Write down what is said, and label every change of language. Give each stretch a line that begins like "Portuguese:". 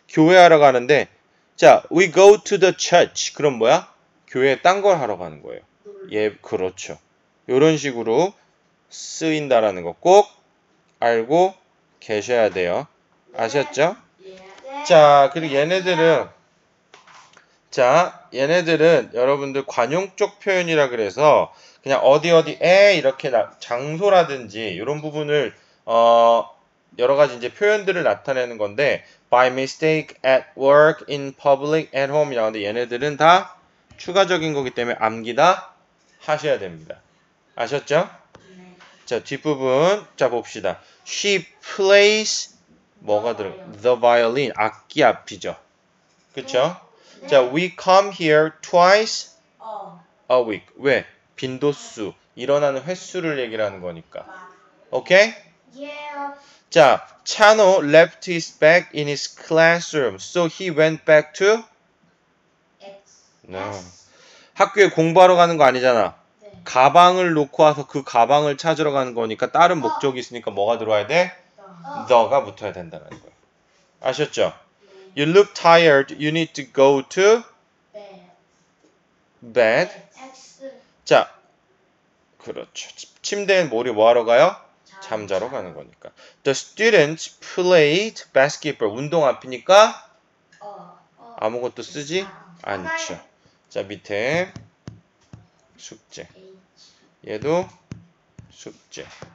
Korean: 교회 하러 가는데
English: 자, we go to the church.
Korean: 그럼 뭐야? 교회에 딴 걸 하러 가는 거예요. 예, 그렇죠. 이런 식으로 쓰인다라는 거 꼭 알고 계셔야 돼요. 아셨죠? 자, 그리고 얘네들은 자, 얘네들은 여러분들 관용적 표현이라 그래서 그냥 어디 어디에 이렇게 장소라든지 이런 부분을 여러 가지 이제 표현들을 나타내는 건데
English: by mistake, at work, in public, at home
Korean: 이라는데 얘네들은 다 추가적인 거기 때문에 암기다 하셔야 됩니다. 아셨죠? 자, 뒷부분 자 봅시다.
English: She plays
Korean: 뭐가 들어가?
English: The violin
Korean: 악기 앞이죠.
English: 그쵸? 자, we come here twice a week. 왜?
Korean: 빈도수 일어나는 횟수를 얘기하는 거니까. 오케이?
English: 자, Chano left his bag in his classroom. So he went back to? No.
Korean: 학교에 공부하러 가는 거 아니잖아. 가방을 놓고 와서 그 가방을 찾으러 가는 거니까 다른 목적이 있으니까 뭐가 들어와야 돼? The가 붙어야 된다는 거예요. 아셨죠?
English: You look tired. You need to go to? Bed.
Korean: 자, 그렇죠. 침대에 머리 뭐하러 가요? 잠자러 가는 거니까.
English: The students played basketball.
Korean: 운동 앞이니까 아무것도 쓰지 않죠. 자, 밑에 숙제. 얘도 숙제.